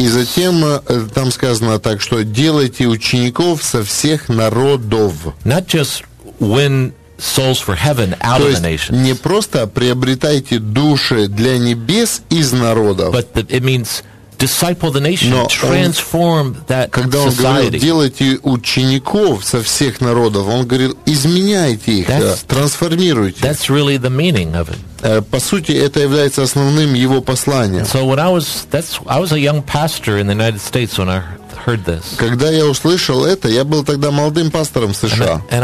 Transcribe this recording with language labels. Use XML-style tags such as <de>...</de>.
<ru>И затем там сказано так, что делайте учеников со всех народов.</ru> <en>Not just win souls for heaven out of the nations.</en> <ru>Не просто приобретайте души для небес из народов.</ru> <en>But it means disciple the nation, но transform that society.</en> <ru>Когда он говорит, делайте учеников со всех народов, он говорит, изменяйте их, трансформируйте.</ru> <en>That's really the meaning of it.</en> <ru>По сути, это является основным его посланием.</ru> <en>So when I was a young pastor in the United States when I heard this.</en> <ru>Когда я услышал это, я был тогда молодым пастором в США.</ru>